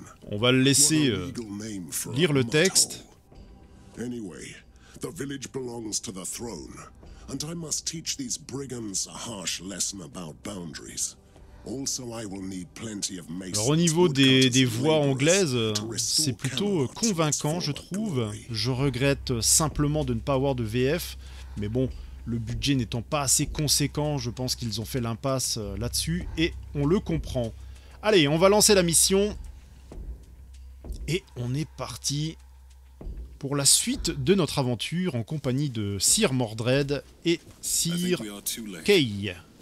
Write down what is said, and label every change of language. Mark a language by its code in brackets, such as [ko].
[fr] On va le laisser lire le texte. [en] Anyway, the village belongs to the throne, and I must teach these brigands a harsh lesson about boundaries. Also, I will need plenty of masons. [fr] Alors, au niveau des voix anglaises, c'est plutôt convaincant, je trouve. Je regrette simplement de ne pas avoir de VF, mais bon, le budget n'étant pas assez conséquent, je pense qu'ils ont fait l'impasse là-dessus, et on le comprend. Allez, on va lancer la mission, et on est parti pour la suite de notre aventure en compagnie de Sir Mordred et Sir Kay.